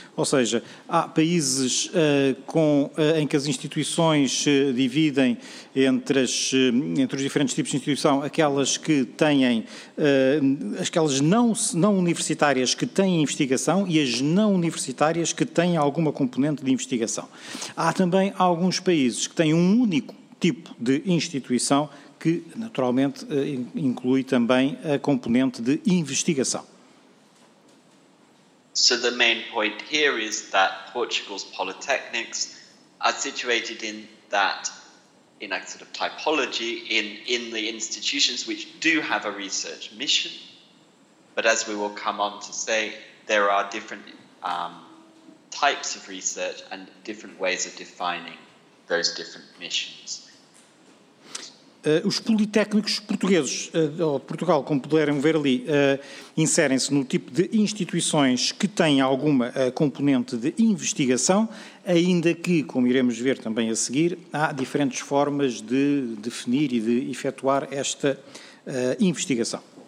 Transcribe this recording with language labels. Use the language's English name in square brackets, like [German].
[Portuguese] Ou seja, há países em que as instituições dividem entre os diferentes tipos de instituição, aquelas que têm, aquelas não universitárias que têm investigação e as não universitárias que têm alguma componente de investigação. Há também alguns países que têm um único tipo de instituição que, naturalmente, inclui também a componente de investigação. [English] So the main point here is that Portugal's polytechnics are situated in that, in a sort of typology, in the institutions which do have a research mission, but as we will come on to say, there are different types of research and different ways of defining those different missions. [Portuguese] Os politécnicos portugueses, ou Portugal, como puderam ver ali, inserem-se no tipo de instituições que têm alguma componente de investigação, ainda que, como iremos ver também a seguir, há diferentes formas de definir e de efetuar esta investigação.